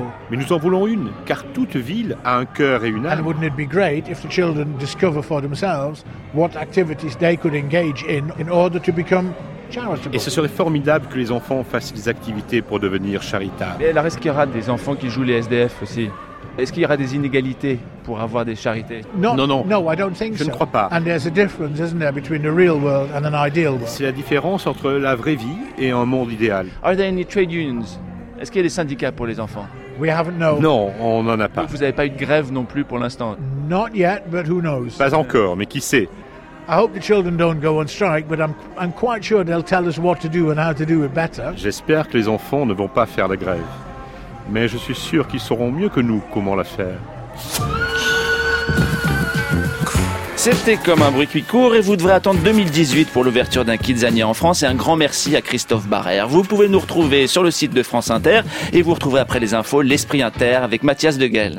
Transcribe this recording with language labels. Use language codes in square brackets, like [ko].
[fr] Mais nous en voulons une, car toute ville a un cœur et une âme. [en] And wouldn't it be great if the children discover for themselves what activities they could engage in order to become charitable? [fr] Et ce serait formidable que les enfants fassent des activités pour devenir charitables. Mais alors, est-ce qu'il y aura des enfants qui jouent les SDF aussi? Est-ce qu'il y aura des inégalités pour avoir des charités? Non, je ne crois pas. [en] And there's a difference, isn't there, between the real world and an ideal world? [fr] C'est la différence entre la vraie vie et un monde idéal. [en] Are there any trade unions? [fr] Est-ce qu'il y a des syndicats pour les enfants? [en] We haven't no. [fr] Non, on n'en a pas. Vous n'avez pas eu de grève non plus pour l'instant? [en] Not yet, but who knows? [fr] Pas encore, mais qui sait? [en] I hope the children don't go on strike, but I'm quite sure they'll tell us what to do and how to do it better. [fr] J'espère que les enfants ne vont pas faire la grève. Mais je suis sûr qu'ils sauront mieux que nous comment la faire. C'était comme un bruit qui court et vous devrez attendre 2018 pour l'ouverture d'un Kidzania en France. Et un grand merci à Christophe Barrère. Vous pouvez nous retrouver sur le site de France Inter et vous retrouverez après les infos l'Esprit Inter avec Mathias Degel.